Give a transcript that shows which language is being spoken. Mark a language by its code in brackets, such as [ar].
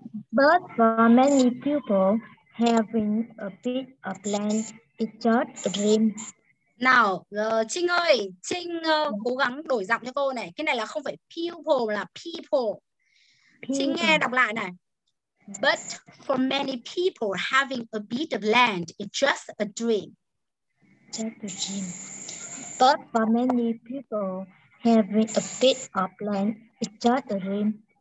[en] But for many people, having a bit of land is just a dream. [vi] Nào, Trinh ơi, Trinh cố gắng đổi giọng cho cô này. Cái này là không phải people, là people. Trinh nghe đọc lại này. [en] But for many people, having a bit of land is just a dream. Just a dream. But for many people, having a bit of land is just a dream.